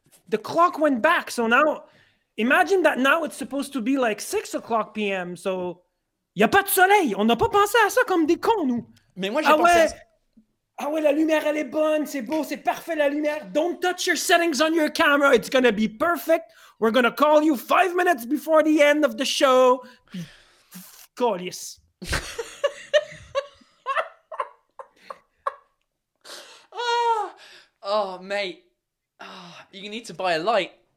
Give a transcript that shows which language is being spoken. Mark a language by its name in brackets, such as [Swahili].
[English] The clock went back, so now, imagine that now it's supposed to be like 6 o'clock p.m., so... [French] Y'a pas de soleil, on n'a pas pensé à ça comme des cons, nous. Mais moi, j'ai pensé à... Ah ouais, la lumière, elle est bonne, c'est beau, c'est parfait, la lumière. [English] Don't touch your settings on your camera, it's gonna be perfect. We're gonna call you 5 minutes before the end of the show. Call yes. Oh, mate. Oh, you need to buy a light.